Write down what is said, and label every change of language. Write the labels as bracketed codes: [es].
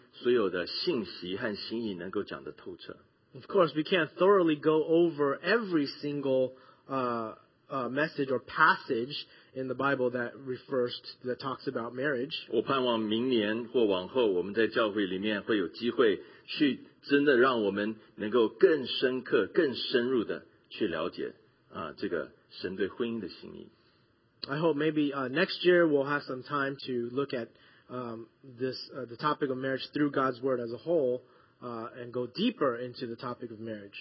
[zh] 今天只有这样子一堂的讲到，我们没有时间去把整个神对婚姻所有的信息和心意能够讲得透彻。 [en] Of course, we can't thoroughly go over every single message or passage in the Bible that refers to, that talks about marriage. [zh] 我盼望明年或往后，我们在教会里面会有机会去真的让我们能够更深刻、更深入的去了解这个神对婚姻的心意。 [en] I hope maybe next year we'll have some time to look at the topic of marriage through God's word as a whole and go deeper into the topic of marriage.